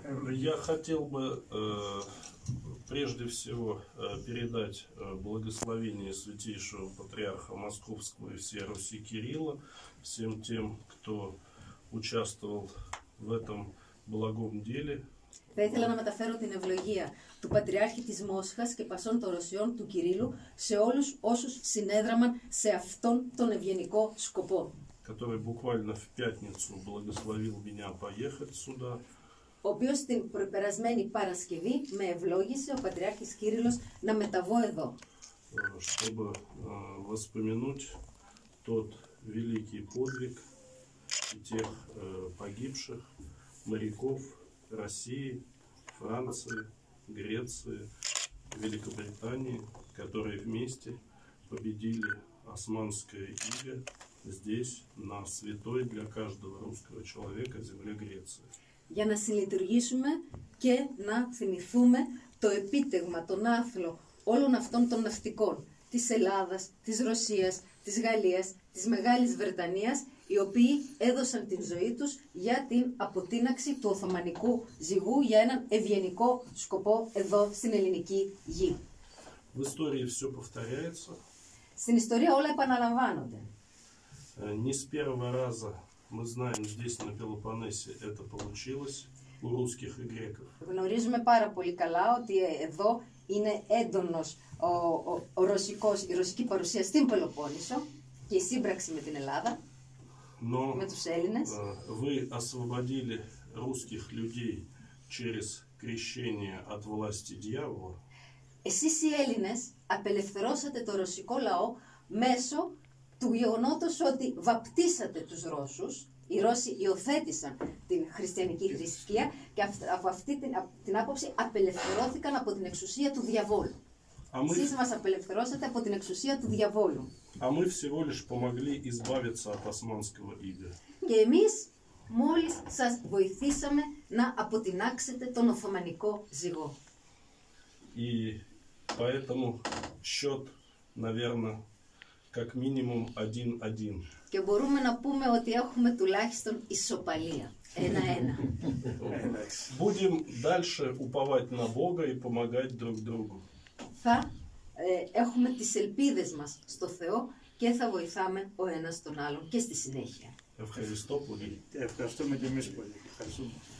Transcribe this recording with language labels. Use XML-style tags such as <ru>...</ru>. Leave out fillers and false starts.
<ru>Я хотел бы прежде всего передать благословение Святейшего Патриарха Московского и всей Руси Кирилла всем тем, кто участвовал в этом благом деле.</ru> <el>Θα ήθελα να μεταφέρω την ευλογία του Πατριάρχη της Μόσχας και Πασών των Ρωσιών, του Κυρίλου, σε όλους όσους συνέδραμαν σε αυτόν τον ευγενικό σκοπό.</el> <ru>Который буквально в пятницу благословил меня поехать сюда.</ru> <el>Ο οποίος την περασμένη Παρασκευή με ευλόγησε ο Πατριάρχης Κύριλλος να μεταβώ εδώ.</el> <ru>Чтобы воспомянуть тот великий подвиг тех погибших моряков России, Франции, Греции, Великобритании, которые вместе победили Османское иго здесь, на святой для каждого русского человека земле Греции.</ru> <el>Για να συλλειτουργήσουμε και να θυμηθούμε το επίτευγμα, τον άθλο όλων αυτών των ναυτικών της Ελλάδας, της Ρωσίας, της Γαλλίας, της Μεγάλης Βρετανίας, οι οποίοι έδωσαν την ζωή τους για την αποτείναξη του Οθωμανικού ζυγού για έναν ευγενικό σκοπό εδώ στην ελληνική γη.</el> <ru>В истории все повторяется.</ru> <el>Στην ιστορία όλα επαναλαμβάνονται.</el> <ru>Не с первого раза мы знаем здесь на Пелопоннесе это получилось у русских и греков.</ru> <el>Γνωρίζουμε πάρα πολύ καλά ότι εδώ είναι έντονος ο ρωσικός, η ρωσική παρουσία στην Πελοπόννησο και η σύμπραξη με την Ελλάδα.</el> <ru>Но</ru> <el>με τους Έλληνες.</el> <ru>Вы освободили русских людей через крещение от власти дьявола.</ru> <el>Εσείς οι Έλληνες απελευθερώσατε το ρωσικό λαό μέσω του γεγονότος ότι βαπτίσατε τους Ρώσους. Οι Ρώσοι υιοθέτησαν την χριστιανική θρησκεία και από αυτή την άποψη απελευθερώθηκαν από την εξουσία του διαβόλου. Εσείς μας απελευθερώσατε από την εξουσία του διαβόλου.</el> <ru>А мы всего лишь помогли избавиться от османского ига.</ru> <el>Και εμείς μόλις σας βοηθήσαμε να αποτινάξετε τον Οθωμανικό ζυγό.</el> <ru>И поэтому счет, наверное, как минимум 1-1.</ru> <el>Και μπορούμε να πούμε ότι έχουμε τουλάχιστον ισοπαλία. 1-1.</el> <ru>Будем дальше уповать на Бога и помогать друг другу.</ru> <el>Θα έχουμε τις ελπίδες μας στο Θεό και θα βοηθάμε ο ένας τον άλλον και στη συνέχεια. Ευχαριστώ πολύ. Ευχαριστούμε και εμείς πολύ. Ευχαριστούμε.</el>